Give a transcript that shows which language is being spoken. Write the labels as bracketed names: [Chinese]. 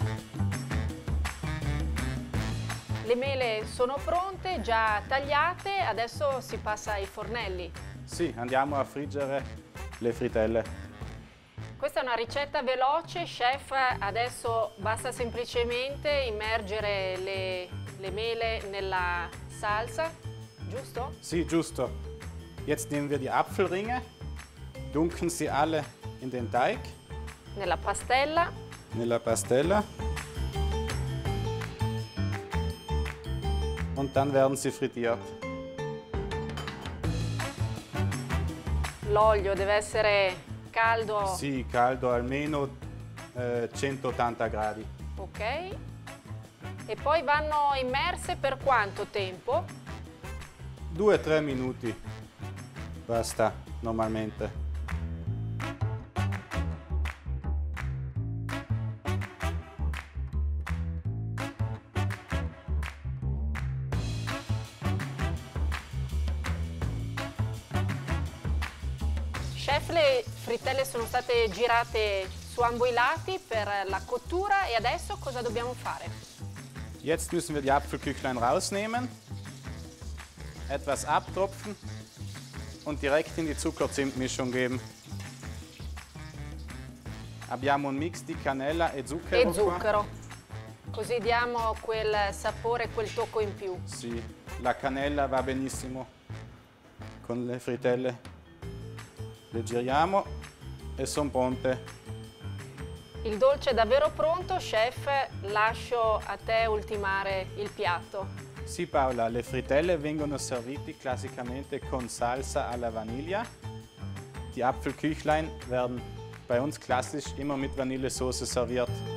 [Italian] Le mele sono pronte, già tagliate, adesso si passa ai fornelli. Sì, andiamo a friggere le frittelle. Questa è una ricetta veloce, chef, adesso basta semplicemente immergere le mele nella salsa, giusto? Sì, giusto. [German] Jetzt nehmen wir die Apfelringe, dunken sie alle in den Teig. [Italian] Nella pastella. Nella pastella. [German] Und dann werden sie frittiert. [Italian] L'olio deve essere caldo. Sì, caldo almeno 180 gradi. Ok. E poi vanno immerse per quanto tempo? 2-3 minuti. Basta, normalmente. Le frittelle sono state girate su ambo i lati per la cottura e adesso cosa dobbiamo fare? [German] Jetzt müssen wir die Apfelküchlein rausnehmen, etwas abtropfen und direkt in die Zuckerzimtmischung geben. [Italian] Abbiamo un mix di cannella e zucchero. E zucchero. Così diamo quel sapore, quel tocco in più. Sì, la cannella va benissimo con le frittelle. Le giriamo e sono pronte. Il dolce è davvero pronto, chef. Lascio a te ultimare il piatto. Sì, Paola, le frittelle vengono servite classicamente con salsa alla vaniglia. [German] Die Apfelküchlein werden bei uns klassisch immer mit Vanillesoße serviert.